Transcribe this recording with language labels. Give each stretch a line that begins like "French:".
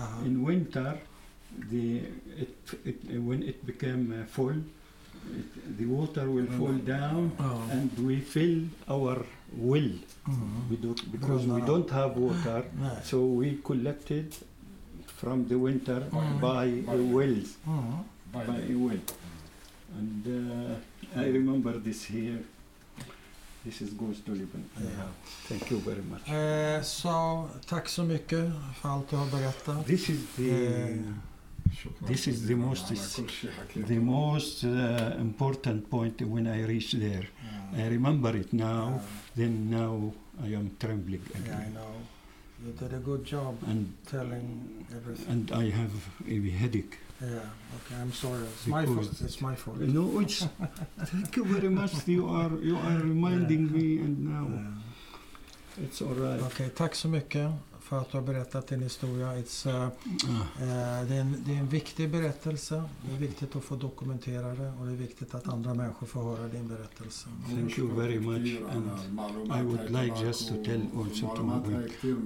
English: In winter, when it became full, the water will fall down, and we fill our well. Because we don't have water, so we collected from the winter by a well. And I remember this here. This is goes to Lebanon. Yeah. Thank you very much.
Swedish: So, tack så mycket för allt du har berättat.
English: This is the most important point when I reached there. Yeah. I remember it now. Yeah. Then now I am trembling again. Yeah, I know. You did a good job and telling everything. And I have a headache. Yeah, okay, I'm sorry. It's my fault. No, it's thank you very much. You are reminding me and now it's all right.
Swedish: Okay, tack så mycket för att du har berättat din historia. It's det är en viktig berättelse. Det är viktigt att få dokumentera det och det är viktigt att andra människor får höra din berättelse.
English: Thank you very much and I would like just to tell also to my wife.